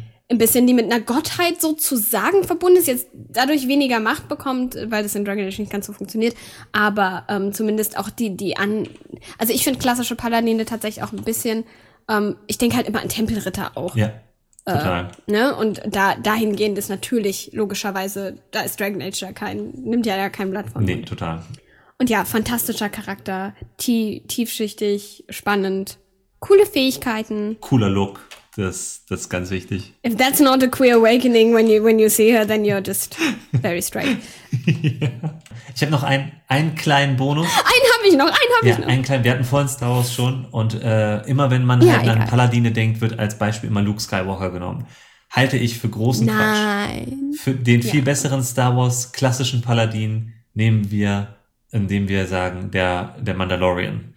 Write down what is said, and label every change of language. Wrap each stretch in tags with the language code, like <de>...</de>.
<de>ein bisschen die mit einer Gottheit sozusagen verbunden ist, jetzt dadurch weniger Macht bekommt, weil das in Dragon Age nicht ganz so funktioniert, aber zumindest auch die an, also ich finde klassische Paladine tatsächlich auch ein bisschen, ich denke halt immer an Tempelritter auch. Ja, total. Ne? Und dahingehend ist natürlich logischerweise, da ist Dragon Age ja kein, nimmt ja ja kein Blatt vom Mund. Nee, total. Und ja, fantastischer Charakter, tiefschichtig, spannend, coole Fähigkeiten. Cooler Look. Das ist ganz wichtig.</de> <en>If that's not a queer awakening when you see her, then you're just very straight. Yeah.</en> <de>Ich habe noch einen kleinen Bonus. Einen habe ich noch. Einen kleinen. Wir hatten vorhin Star Wars schon und immer wenn man halt an Paladine denkt, wird als Beispiel immer Luke Skywalker genommen. Halte ich für großen Quatsch. Nein. Für den viel besseren Star Wars klassischen Paladin nehmen wir, indem wir sagen, der Mandalorian.</de>